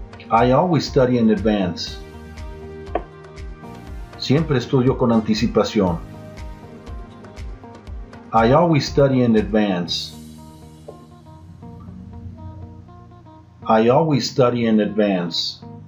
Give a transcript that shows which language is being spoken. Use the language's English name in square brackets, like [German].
[English] I always study in advance. [Spanish] Siempre estudio con anticipación. [English] I always study in advance. I always study in advance.